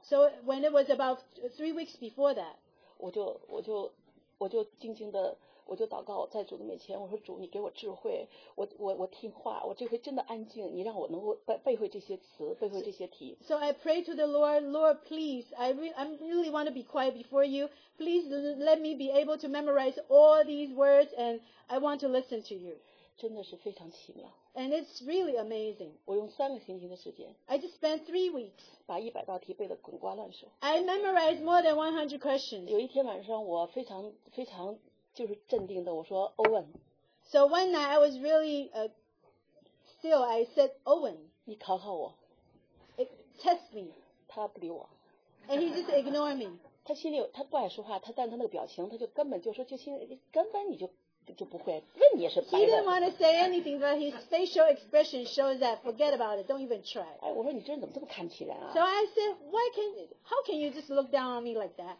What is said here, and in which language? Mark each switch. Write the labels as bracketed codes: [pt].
[en] So when it was about 3 weeks before that, [zh] 我就静静的，我就祷告在主的面前。我说主，你给我智慧，我听话，我这回真的安静，你让我能够背会这些词，背会这些题。So [en] I pray to the Lord, Lord, please, I really want to be quiet before you. Please let me be able to memorize all these words, and I want to listen to you. [zh] 真的是非常奇妙。 [en] And it's really amazing. [zh] 我用3个星期的时间, [en] I just spent 3 weeks. [zh] 把100道题背得滚瓜烂熟。 [en] I memorized more than 100 questions. [zh] 有一天晚上我非常就是镇定的, 我说, Owen, [en] so one night I was really still, I said, Owen, [zh] 你考考我, [en] test me. [zh] 他不理我, [en] and he just ignored me. [zh] 他心里有,他不爱说话,但他那个表情,他就根本就说,就心里根本你就。 [en] He didn't want to say anything, but his facial expression shows that, forget about it, don't even try. [zh] 哎,我说你这人怎么这么看起来啊? [en] So I said, how can you just look down on me like that?